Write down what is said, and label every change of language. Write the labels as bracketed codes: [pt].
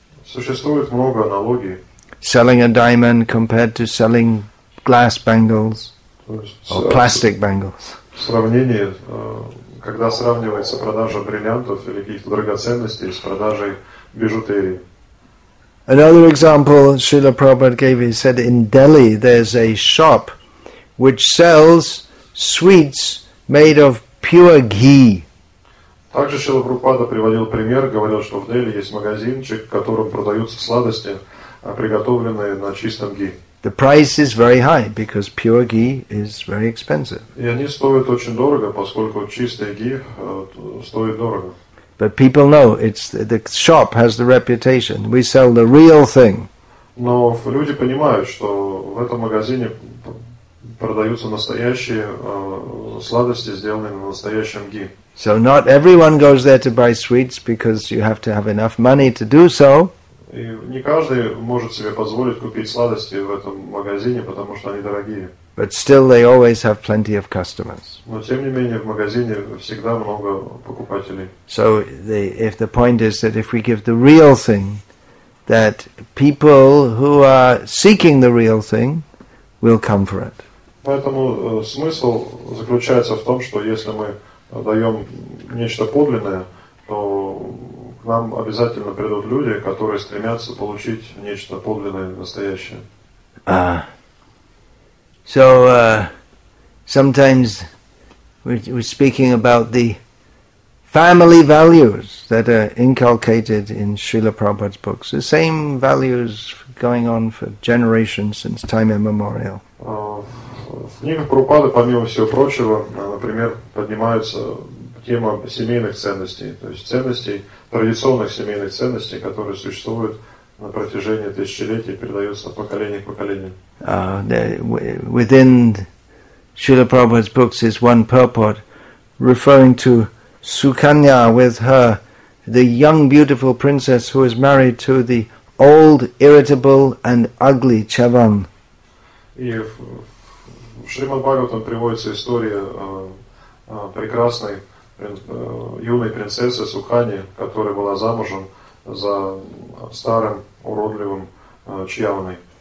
[ru] Существует много аналогий. [en] Selling a diamond compared to selling glass bangles or plastic bangles. [ru] Сравнение, когда сравнивается продажа бриллиантов или каких-то драгоценностей с продажей бижутерии. [en] Another example Srila Prabhupada gave, he said in Delhi there's a shop which sells sweets made of pure ghee. [ru] Также Шрила Прабхупада приводил пример, говорил, что в Дели есть магазинчик, в котором продаются сладости, приготовленные на чистом ghee. [en] The price is very high because pure ghee is very expensive. [ru] И они стоят очень дорого, поскольку чистый ghee стоит дорого. [en] But people know it's the shop has the reputation. We sell the real thing. [ru] Но люди понимают, что в этом магазине продаются настоящие сладости, сделанные на настоящем ghee. [en] So not everyone goes there to buy sweets because you have to have enough money to do so. [ru] И не каждый может себе позволить купить сладости в этом магазине, потому что они дорогие. [en] But still, they always have plenty of customers. [ru] Но тем не менее в магазине всегда много покупателей. [en] So if the point is that if we give the real thing, that people who are seeking the real thing will come for it. [ru] Поэтому смысл заключается в том, что если мы даем нечто подлинное, то к нам обязательно придут люди, которые стремятся получить нечто подлинное, настоящее. [en] So sometimes we're speaking about the family values that are inculcated in Srila Prabhupada's books. The same values going on for generations since time immemorial. [ru] В книгах Прабхупады, помимо всего прочего, например, поднимается тема семейных ценностей, то есть ценностей, традиционных семейных ценностей, которые существуют на протяжении тысячелетий, передаются от поколения к поколению. [en] Within Srila Prabhupada's books is one purport referring to Sukanya with her, the young beautiful princess who is married to the old, irritable and ugly Chavan. [ru] И в Шримад Бхагаватам приводится история прекрасной юной принцессы Сукани, которая была замужем за старым уродливым Чьяваной.